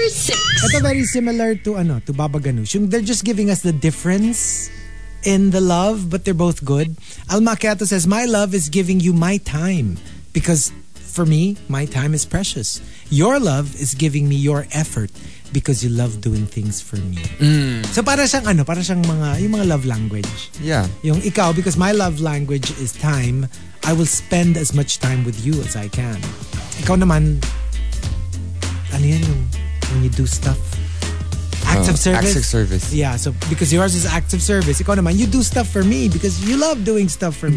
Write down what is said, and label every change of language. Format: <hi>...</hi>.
<en>Ito very similar to ano, to Baba Ganoush. Yung they're just giving us the difference in the love, but they're both good. Al Macchiato says, my love is giving you my time because for me, my time is precious. Your love is giving me your effort because you love doing things for me. Mm.</en> <tl>So para siyang ano, para siyang mga, yung mga love language.</tl> <en>Yeah.</en> <tl>Yung ikaw,</tl> <en>because my love language is time, I will spend as much time with you as I can.</en> <tl>Ikaw naman, ano yan yung,</tl> <en>when you do stuff? Acts of service? Acts of service. Yeah, so because yours is acts of service,</en> <tl>ikaw naman,</tl> <en>you do stuff for me because you love doing stuff for me.</en>